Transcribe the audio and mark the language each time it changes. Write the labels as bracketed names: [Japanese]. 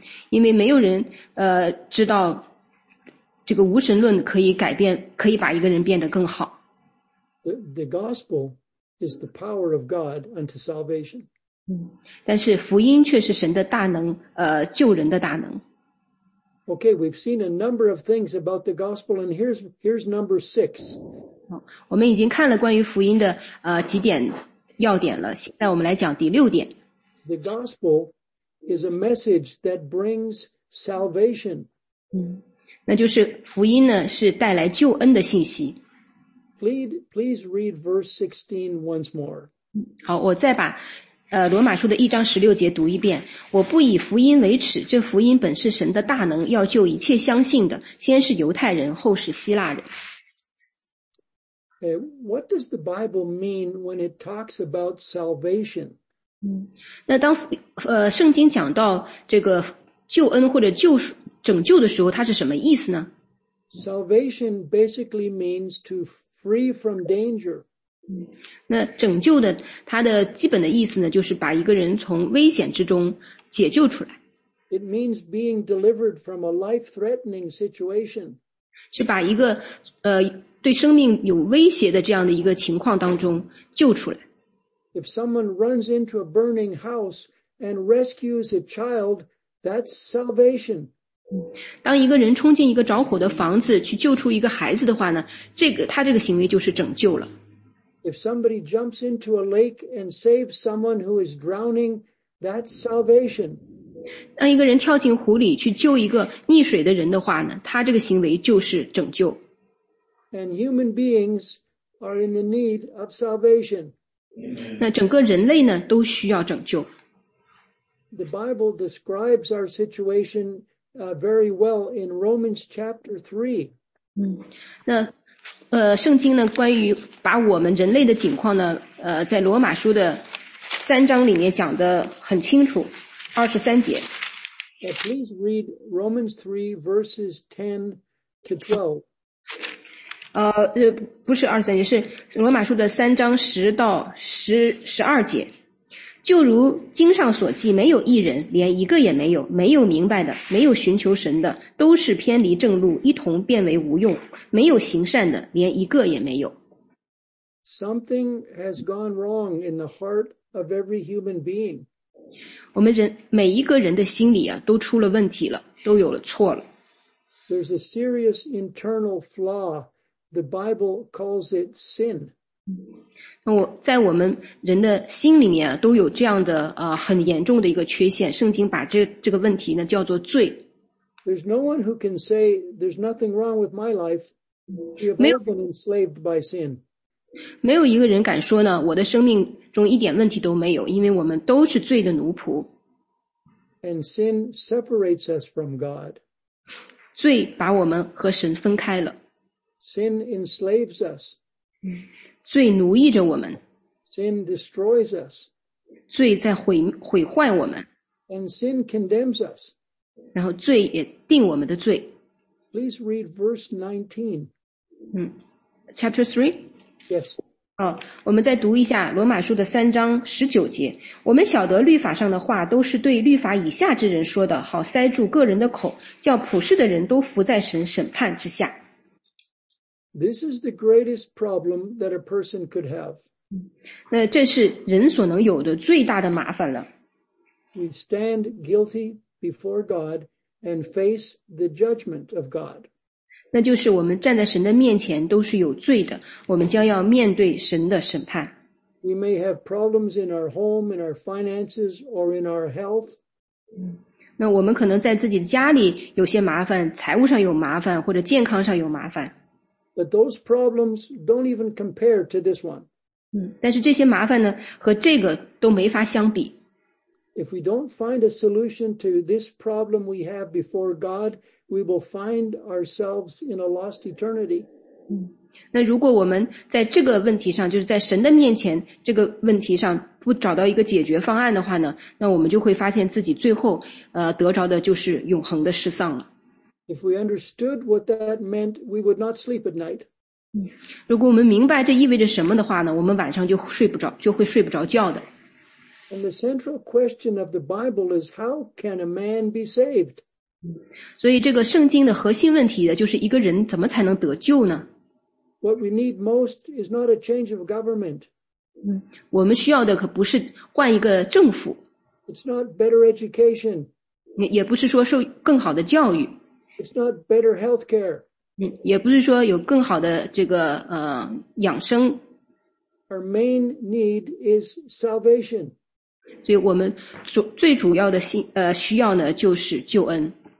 [Chinese] 因为没有人知道这个无神论可以改变，可以把一个人变得更好。 [English] The gospel is the power of God unto salvation. [Chinese] 但是福音却是神的大能，救人的大能。 [English] Okay, we've seen a number of things about the gospel, and here's number six. [Chinese] 我们已经看了关于福音的几点要点了，现在我们来讲第六点。 [English] The gospel is a message that brings salvation. [Chinese] 那就是福音呢，是带来救恩的信息。 [English] Please read verse 16 once more. [Chinese] 好，我再把罗马书的一章十六节读一遍。我不以福音为耻，这福音本是神的大能，要救一切相信的，先是犹太人，后是希腊人。 [English] Okay, what does the Bible mean when it talks about salvation? [Chinese] 那当圣经讲到这个救恩或者救拯救的时候，它是什么意思呢？ [English] Salvation basically means to free from danger. [Chinese] 那拯救的它的基本的意思呢，就是把一个人从危险之中解救出来。 [English] It means being delivered from a life-threatening situation. [Chinese] 是把一个对生命有威胁的这样的一个情况当中救出来。 [English] If someone runs into a burning house and rescues a child, that's salvation. [Chinese] 当一个人冲进一个着火的房子去救出一个孩子的话呢，他这个行为就是拯救了。 [English] If somebody jumps into a lake and saves someone who is drowning, that's salvation. [Chinese] 当一个人跳进湖里去救一个溺水的人的话呢，他这个行为就是拯救。 [English] And human beings are in the need of salvation. [Chinese] 那整个人类呢，都需要拯救。 [English] The Bible describes our situation very well in Romans chapter 3. [Chinese] 那圣经呢，关于把我们人类的境况呢，在罗马书的三章里面讲得很清楚，23节。 [English] Please read Romans 3 verses 10 to 12. [Chinese] 不是23节，是罗马书的三章10到12节。就如经上所记，没有一人，连一个也没有，没有明白的，没有寻求神的，都是偏离正路，一同变为无用，没有行善的，连一个也没有。 [English] Something has gone wrong in the heart of every human being. [Chinese] 我们人，每一个人的心里啊，都出了问题了，都有了错了。 [English] There's a serious internal flaw. The Bible calls it sin. [Chinese] 在我们人的心里面、啊、都有这样的、很严重的一个缺陷，圣经把 这个问题呢叫做罪。 [English] There's no one who can say there's nothing wrong with my life. We have all been enslaved by sin. [Chinese] 没有一个人敢说呢我的生命中一点问题都没有，因为我们都是罪的奴仆。 [English] And sin separates us from God. [Chinese] 罪把我们和神分开了。 [English] Sin enslaves us. [Chinese] 罪奴役着我们。 [English] Sin destroys us. [Chinese] 罪在毁坏我们。 [English] And sin condemns us. [Chinese] 然后罪也定我们的罪。 [English] Please read verse 19. Chapter 3? Yes. [Chinese] 我们再读一下罗马书的三章十九节。我们晓得律法上的话都是对律法以下之人说的，好塞住个人的口，叫普世的人都伏在神审判之下。 [English] This is the greatest problem that a person could have. [Chinese] 那这是人所能有的最大的麻烦了。 [English] We stand guilty before God and face the judgment of God. [Chinese] 那就是我们站在神的面前都是有罪的，我们将要面对神的审判。 [English] We may have problems in our home, in our finances, or in our health. [Chinese] 那我们可能在自己家里有些麻烦，财务上有麻烦，或者健康上有麻烦。 [English] But those problems don't even compare to this one. [Chinese] 但是这些麻烦呢，和这个都没法相比。 [English] If we don't find a solution to this problem we have before God, we will find ourselves in a lost eternity. [Chinese] 那如果我们在这个问题上，就是在神的面前这个问题上不找到一个解决方案的话呢，那我们就会发现自己最后得着的就是永恒的失丧了。 [English] If we understood what that meant, we would not sleep at night. [Chinese] 如果我们明白这意味着什么的话呢，我们晚上就会睡不着觉的。 [English] And the central question of the Bible is how can a man be saved? [Chinese] 所以这个圣经的核心问题呢，就是一个人怎么才能得救呢？ [English] What we need most is not a change of government. [Chinese] 我们需要的可不是换一个政府。 [English] It's not better education. [Chinese] 也不是说受更好的教育。 [English] It's not better healthcare. [Chinese] 也不是说有更好的这个养生。 [English] Our main need is salvation. [Chinese] 所以我们最主要的需要呢就是救恩。